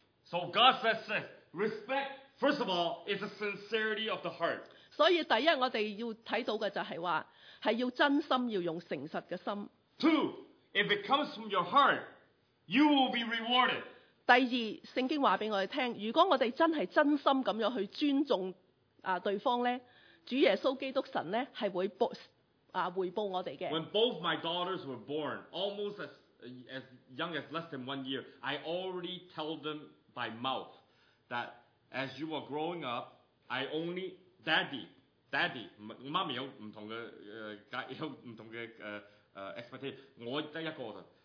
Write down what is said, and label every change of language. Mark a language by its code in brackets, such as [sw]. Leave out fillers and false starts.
[en] So God says this: respect, first of all, is the sincerity of the heart. [yue] 所以第一我哋要睇到嘅就系话，系要真心，要用诚实嘅心。 [en] Two. If it comes from your heart, you will be rewarded. [yue] 第二，圣经话俾我哋听，如果我哋真系真心咁样去尊重啊对方咧，主耶稣基督神咧系会报啊回报我哋嘅。 [en] When both my daughters were born, almost as young as less than one year, I already tell them by mouth that as you were growing up, I only daddy, mommy [yue] 有唔同嘅有唔同嘅expectation， 我得一個啫。